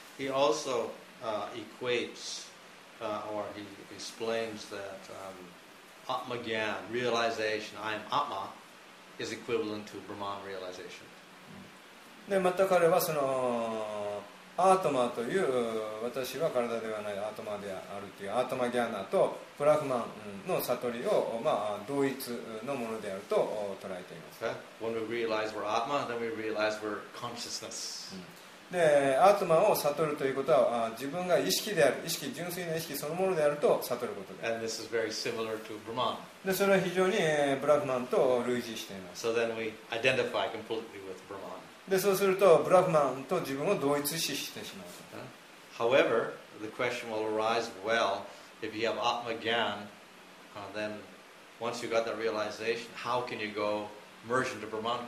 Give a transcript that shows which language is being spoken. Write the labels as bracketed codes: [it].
[en] He also equates or he explains that Atmagyan realization, I am Atmais equivalent to Brahman realization. [ja] で、また彼はそのアートマという私は体ではないアートマであるというアートマギャーナとブラフマンの悟りを、まあ、同一のものであると捉えています。 [en] Okay. When we realize we're Atma, then we realize we're consciousness. [ja] で、アートマを悟るということは自分が意識である、意識、純粋な意識そのものであると悟ることです。 [en] And this is very similar to Brahman. [ja] でそれは非常に、ブラフマンと類似しています。 [en] So then we identify completely with Brahman. [ja] でそうするとブラフマンと自分を同一視してしまう。 [en] However, the question will arise, well, if you have Atmagyan, then once you got that realization, how can you go merge into Brahman?